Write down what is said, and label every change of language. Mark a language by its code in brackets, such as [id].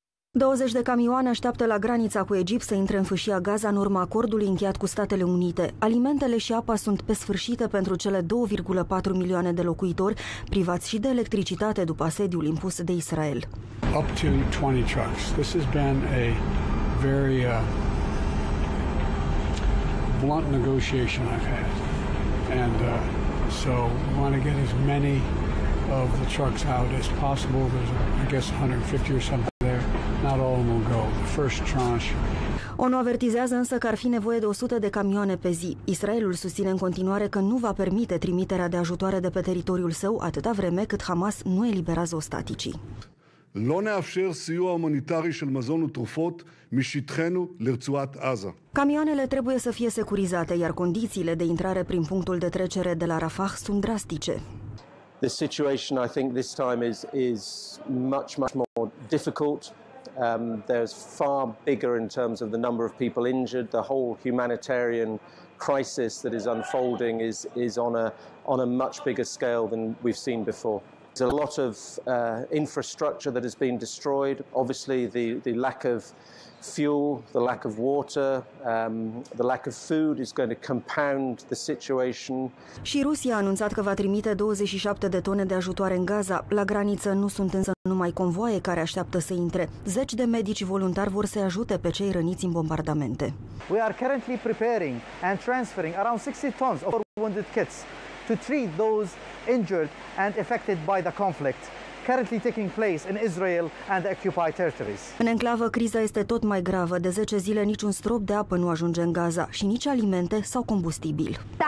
[ro] 20 de camioane așteaptă la granița cu Egipt să intre în fâșia Gaza în urma acordului încheiat cu Statele Unite. Alimentele și apa sunt pe sfârșit pentru cele 2,4 milioane de locuitori privați și de electricitate după asediul impus de Israel. [en] Up to 20 trucks. This has been a very blunt negotiation I've had. And so we want to get as many of the trucks out as possible. There's I guess 150 or something. Not all will go. First tranche. [ro] ONU avertizează însă că ar fi nevoie de 100 de camioane pe zi. Israelul susține în continuare că nu va permite trimiterea de ajutoare de pe teritoriul său atâta vreme cât Hamas nu eliberează ostaticii. Lo neafșer siua umanitarii și-l măzonul trufot mișitrenu lărțuat Aza. Camioanele trebuie să fie securizate, iar condițiile de intrare prin punctul de trecere de la Rafah sunt drastice. [en] The situation, I think, this time is much, much more difficult. There's far bigger in terms of the number of people injured. The whole humanitarian crisis that is unfolding is on a much bigger scale than we've seen before. There's a lot of infrastructure that has been destroyed. Obviously, the lack of fuel, the lack of water, the lack of food is going to compound the situation. [ro] Și Rusia a anunțat că va trimite 27 de tone de ajutoare în Gaza. La graniță nu sunt însă numai convoaie care așteaptă să intre. Zeci de medici voluntari vor să ajute pe cei răniți în bombardamente. [en] We are currently preparing and transferring around 60 tons of wounded kits to treat those injured and affected by the conflict. Currently taking place in Israel and the occupied territories. [ro] În enclavă, criza este tot mai gravă. De 10 zile niciun strop de apă nu ajunge în Gaza și nici alimente sau combustibil.